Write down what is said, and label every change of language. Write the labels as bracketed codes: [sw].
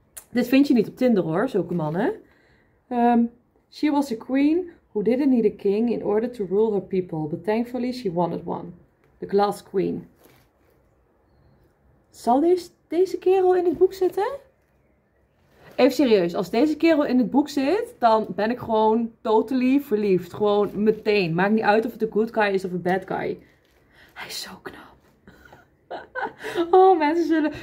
[nl] Dit vind je niet op Tinder hoor, zulke mannen. [en] She was a queen who didn't need a king in order to rule her people. But thankfully she wanted one. The glass queen. [nl] Zal deze kerel in het boek zitten? Even serieus, als deze kerel in het boek zit, dan ben ik gewoon totally verliefd. Gewoon meteen. Maakt niet uit of het een [en] good guy [nl] is of een [en] bad guy. [nl] Hij is zo knap. Oh, mensen zullen...